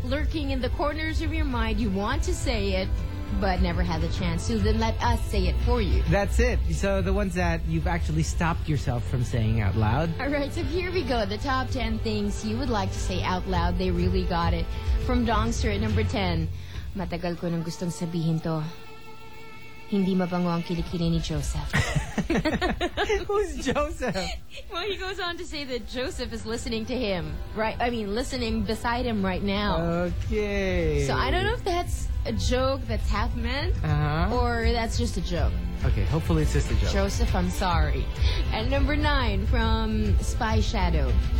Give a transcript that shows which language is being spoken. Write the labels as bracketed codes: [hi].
[en] are lurking in the corners of your mind. You want to say it, but never had the chance. So then let us say it for you. That's it. So the ones that you've actually stopped yourself from saying out loud. All right. So here we go. The top 10 things you would like to say out loud. They really got it. From Dongster at number 10. [tl] Matagal ko nang gustong sabihin to. Hindi mabango ang kilikili ni Joseph. [en] Who's Joseph? Well, he goes on to say that Joseph is listening to him. Right? I mean, listening beside him right now. Okay. So I don't know if that's a joke that's half meant, uh-huh. or that's just a joke. Okay, hopefully it's just a joke. Joseph, I'm sorry. And number 9 from Spy Shadow.